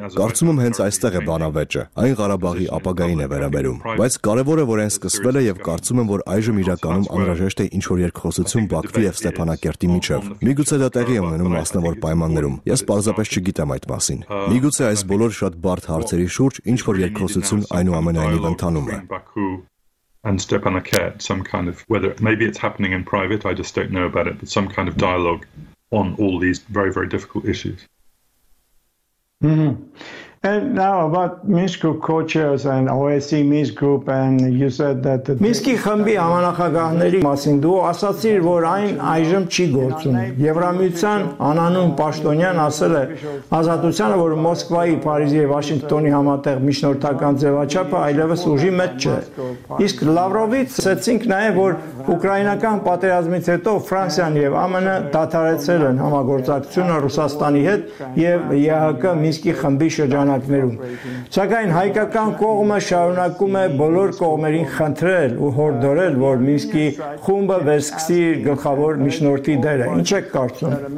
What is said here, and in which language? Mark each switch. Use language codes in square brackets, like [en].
[hy] Կարծում եմ, հենց այստեղ է բանավեճը, այն Ղարաբաղի ապագային է վերաբերում, բայց կարևորը, որ այն սկսվել է, եւ կարծում եմ, որ այժմ իրականում անհրաժեշտ է ինչ-որ երկխոսություն Բաքվի եւ Ստեփանակերտի միջեւ։ Միգուցե դա տեղի ունենում մասնավոր պայմաններում, ես պարզապես չգիտեմ այդ մասին։ Միգուցե այս բոլոր շատ բարդ հարցերի շուրջ ինչ-որ երկխոսություն այնուամենայնիվ ընթանում է։ [en] And Stepanakert, some kind of, whether maybe it's happening in private, I just don't know about it, but some kind of dialogue on all these very, very difficult issues. Mm-hmm. And now about Minsk Group co-chairs and OSCE Minsk Group, and you said that the [hy] Minsk խմբի համանախագահների մասին դու ասացիր, որ այն այժմ չի գործում։ Եվրամիության անանուն Պաշտոնյան ասել է ազատությանը, որ Մոսկվայի, Փարիզի եւ Վաշինգտոնի համատեղ միջնորդական ձևաչափը այլևս ուժի մեջ չէ։ Իսկ Լավրովից ասացինք նաեւ, որ ուկրաինական պատերազմից հետո Ֆրանսիան եւ ԱՄՆ դադարեցել են համագործակցությունը Ռուսաստանի հետ եւ ԵՀԿ Մինսկի խմբի շրջանակում։ Սակայն հայկական կողմը շարունակում է բոլոր կողմերին խնդրել ու հորդորել, որ Մինսկի խումբը վերսկսի իր գլխավոր միջնորդի դերը։ Ինչ եք կարծում։